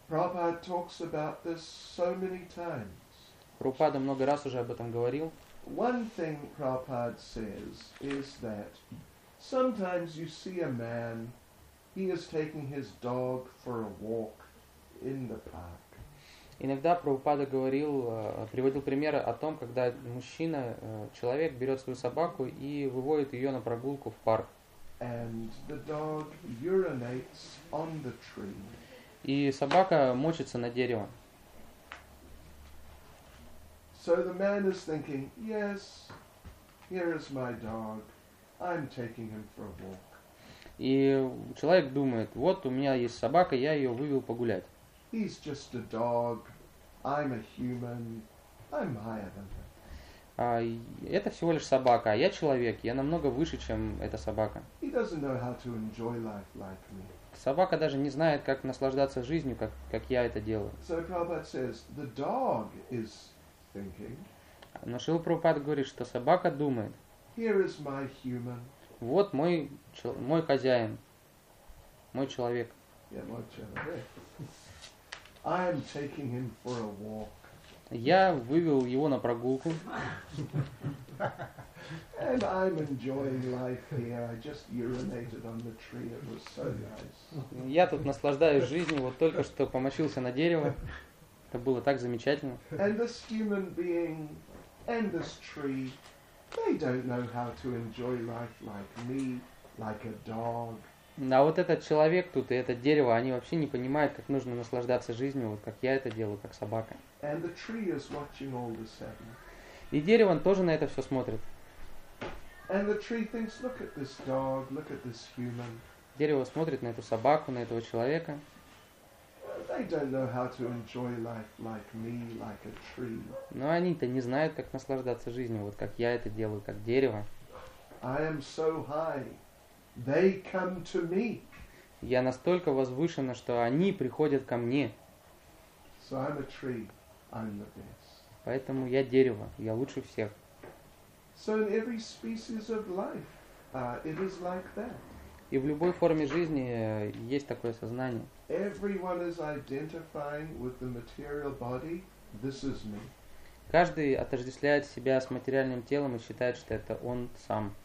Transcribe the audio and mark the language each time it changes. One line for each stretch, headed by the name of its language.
English: Prabhupada talks about this so many times.
Russian: Прабхупада много раз уже об этом говорил.
English: One thing Prabhupada says is that sometimes you see a man. He is taking his dog for a walk in the park.
Russian: Иногда Прабхупада говорил, приводил примеры о том, когда мужчина, человек берет свою собаку и выводит ее на прогулку в парк.
English: And the dog urinates on the tree.
Russian: И собака мочится на дерево.
English: So the man is thinking, yes, here is my dog. I'm taking him for a walk.
Russian: И человек думает, вот у меня есть собака, я ее вывел погулять.
English: He's just a dog. I'm a human. I'm higher than that.
Russian: Это всего лишь собака, а я человек, я намного выше, чем эта собака.
English: He doesn't know how to enjoy life like me.
Russian: Собака даже не знает, как наслаждаться жизнью, как я это делаю.
English: So Prabhupada says, the dog is thinking.
Russian: Но Шрила Прабхупада говорит, что собака думает.
English: Here is my human.
Russian: Вот мой хозяин, мой человек.
English: Yeah, my человек. I am taking him for a walk.
Russian: Я вывел его на прогулку.
English: And I'm enjoying life here. I just urinated on the tree. It was so nice.
Russian: Я тут наслаждаюсь жизнью. Вот только что помочился на дерево. Это было так замечательно.
English: And this human being and this tree. They don't know how to enjoy life like me, like a dog.
Russian: А вот этот человек тут и это дерево, они вообще не понимают, как нужно наслаждаться жизнью, вот как я это делаю, как собака.
English: And the tree is watching all this happen.
Russian: И дерево тоже на это все смотрит.
English: And the tree thinks, look at this dog, look at this human.
Russian: Дерево смотрит на эту собаку, на этого человека.
English: they don't know how to enjoy life like me, like a tree.
Russian: Но они-то не знают, как наслаждаться жизнью, вот как я это делаю, как дерево.
English: I am so high, they come to me.
Russian: Я настолько возвышена, что они приходят ко мне.
English: So I'm a tree, I'm the best.
Russian: Поэтому я дерево, я лучше всех.
English: So in every species of life, it is like that.
Russian: И в любой форме жизни есть такое сознание.
English: Everyone is identifying with the material body. This is me.
Russian: Каждый отождествляет себя с материальным телом и считает, что это он сам.